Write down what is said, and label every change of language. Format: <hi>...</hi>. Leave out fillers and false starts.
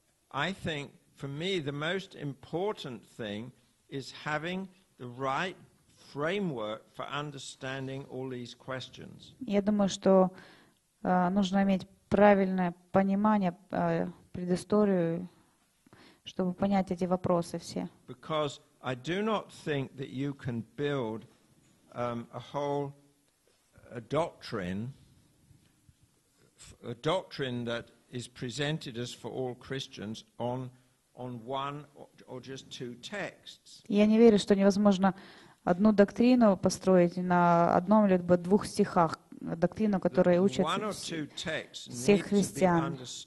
<en>I think for me the most important thing is having the right framework for understanding all these questions.</en> <ru>Я думаю, что нужно иметь правильное понимание, предысторию, чтобы понять эти вопросы все.</ru> <en>Because I do not think that you can build a doctrine that is presented as for all Christians on one or just two texts.</en> <ru>Я не верю, что невозможно одну доктрину построить на одном либо двух стихах, доктрину, которая учит всех христиан.</ru>